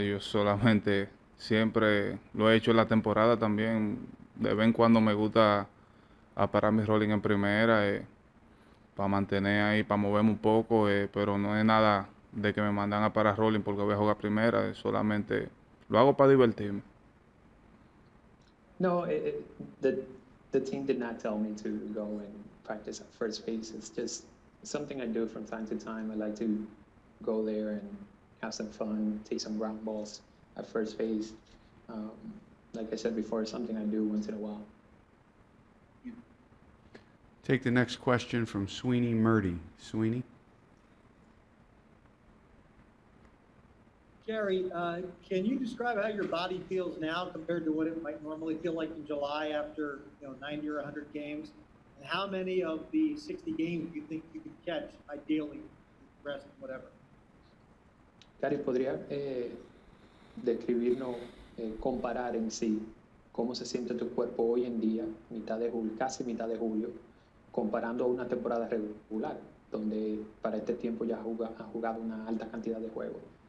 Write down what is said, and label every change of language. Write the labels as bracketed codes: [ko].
[es] Yo solamente siempre lo he hecho en la temporada también. De vez en cuando me gusta a parar mi rolling en primera para mantener ahí, para moverme un poco, pero no es nada de que me mandan a parar rolling porque voy a jugar primera. Solamente lo hago para divertirme. [en] No, the team did not tell me to go and practice at first base. It's just something I do from time to time. I like to go there and have some fun, take some ground balls at first base. Like I said before, it's something I do once in a while. Take the next question from Sweeney Murdy. Sweeney? Gary, can you describe how your body feels now compared to what it might normally feel like in July after, you know, 90 or 100 games? And how many of the 60 games do you think you could catch, ideally, rest, whatever? [es] Gary, ¿podría describirnos, comparar en sí cómo se siente tu cuerpo hoy en día, mitad de julio, casi mitad de julio, comparando a una temporada regular, donde para este tiempo ya has jugado una alta cantidad de juegos?